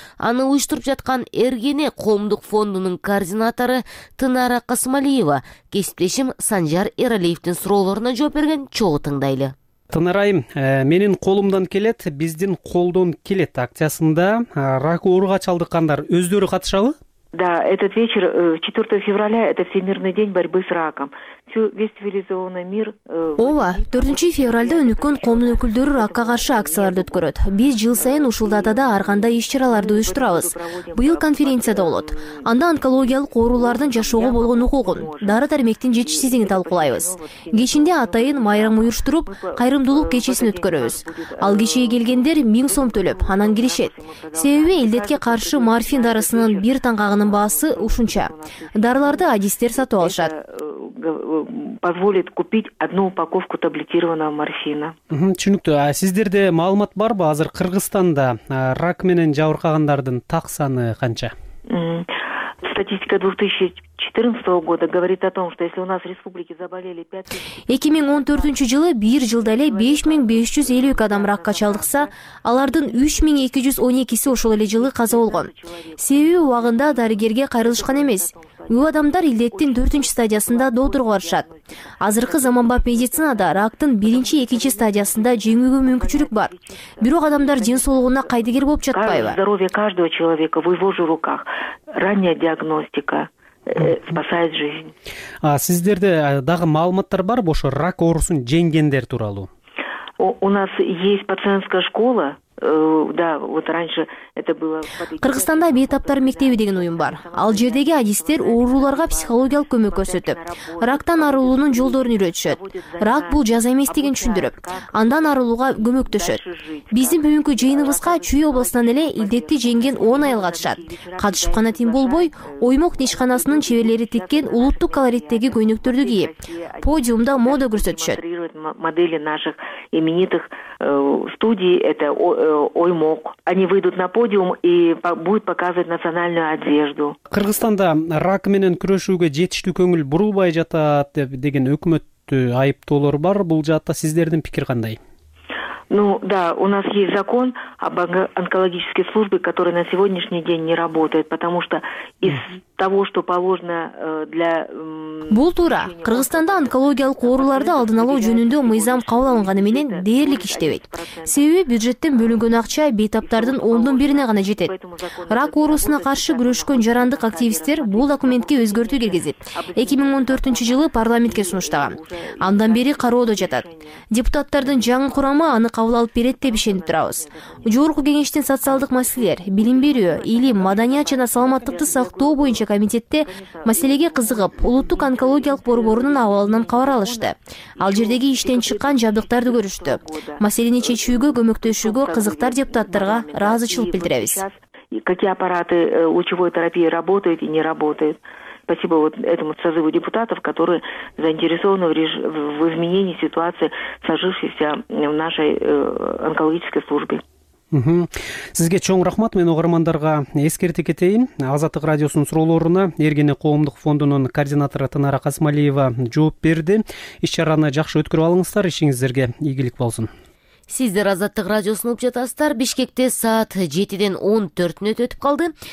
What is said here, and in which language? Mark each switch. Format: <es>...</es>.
<ky>Аны уюштуруп жаткан Эргене коомдук фондунун координатору Тынара Касымалиева кесиптешим Санжар Эралиевдин суроолоруна жооп берген, чогуу тыңдайлы. Тынарайым, менин колумдан келет, биздин колдон келет акциясында рак ооруга чалдыккандар өздөрү катышабы?</ky> <ru>Да, этот вечер, 4 февраля, это Всемирный день борьбы с раком.</ru> <ky>Ооба, 4 февральда өнүккөн коомдун өкүлдөрү ракка каршы акцияларды өткөрөт. Биз жыл сайын ушул датада ар кандай иш-чараларды уюштурабыз. Быйыл конференция да болот. Анда онкологиялык оорулардын жашоого болгон укугун, дары-дармектин жетишсиздигин талкуулайбыз. Кечинде атайын майрам уюштуруп, кайрымдуулук кечесин өткөрөбүз. Ал кечеге келгендер 1000 сом төлөп, анан киришет. Себеби илдетке каршы морфин дарысынын бир таңгагынын баасы ушунча. Дарыларды адистер сатып алышат.</ky> <ru>Позволит купить одну упаковку таблетированного морфина.</ru> <ky>Түшүнүктүү. А сиздерде маалымат барбы? Азыр Кыргызстанда рак менен жабыркагандардын так саны канча?</ky> <ru>Статистика 2014 года говорит о том, что если у нас в республике заболели</ru> <ky>2014 жылы бир жылда эле 5552 адам ракка чалдыкса, алардын 3212 ошол эле жылы каза болгон. Себеби убагында дарыгерге кайрылышкан эмес. Бул адамдар илдеттин 4-үнчү стадиясында доотурго барышат. Азыркы заманбап медицинада рактын 1-2 стадиясында жеңүүгө мүмкүнчүлүк бар. Бирок адамдар ден соолугуна кайдыгер болуп жатпайбы?</ky> <ru>Здоровье каждого человека в его же руках. Ранняя диагностика спасает жизнь.</ru> <ky>А сиздерде дагы маалыматтар бар ошо рак оорусун жеңгендер тууралуу?</ky> <ru>У нас есть пациентская школа. Да, вот раньше это было.</ru> <ky>Кыргызстанда бейтаптар мектеби деген уюм бар. Ал жердеги адистер ооруларга психологиялык көмөк көрсөтүп, рактан арылуунун жолдорун үйрөтүшөт. Рак бул жаза эмес деген түшүндүрүп, андан арылууга көмөктөшөт. Биздин бүгүнкү жыйыныбызга Чүй облусунан эле илдетти жеңген 10 айыл катышат. Катышып гана тең болбой, Оймок нишканасынын чеберлери тиккен улуттук колориттеги көйнөктөрдү кийип, подиумда мода көрсөтүшөт.</ky> <ru>Модели наших именитых студий это Оймок. Они выйдут на подиум и будут показывать национальную одежду.</ru> <ky>Кыргызстанда рак менен күрөшүүгө жетиштүү көңүл бурулбай жатат деген өкмөттү айыптоолор бар. Бул жаатта сиздердин пикир кандай?</ky> <ru>Ну да, у нас есть закон об онкологической службе, который на сегодняшний день не работает, потому что из того, что положено для...</ru> <ky>Бул туура. Кыргызстанда онкологиялык ооруларды алдын алуу жөнүндө мыйзам кабыл алынганы менен дээрлик иштебейт. Себеби бюджеттен бөлүнгөн акча бейтаптардын 1/10 гана жетет. Рак оорусуна каршы күрөшкөн жарандык активисттер бул документке өзгөртүү киргизип, 2014 жылы парламентке сунуштаган. Андан бери кароодо жатат. Депутаттардын жаңы курамы аны кабыл алып берет деп ишенип турабыз. Жогорку кеңештин социалдык маселелер, билим берүү, илим, маданият жана саламаттыкты сактоо боюнча комитетте маселеге кызыгып, улуттук онкологиялык борборунун абалынан кабар алышты. Ал жердеги иштен чыккан жабдыктарды көрүштү. Маселени чечүүгө көмөктөшүүгө кызыктар депутаттарга ыраазычылык билдиребиз.</ky> <ru>Какие аппараты лучевой терапии работают и не работают? Спасибо вот этому созыву депутатов, которые заинтересованы в изменении ситуации, сложившейся в нашей онкологической службе.</ru> <ky>Сизге чоң рахмат. Мен угармандарга эскерте кетейин. Азаттык радиосунун суроолоруна Эргене коомдук фондунун координатору Тынара Касымалиева жооп берди. Иш-чараны жакшы өткөрүп алыңыздар, ишиңиздерге ийгилик болсун. Сиздер Азаттык радиосун угуп жатасыздар. Бишкекте саат 7:14 мүнөт өтүп калды.</ky>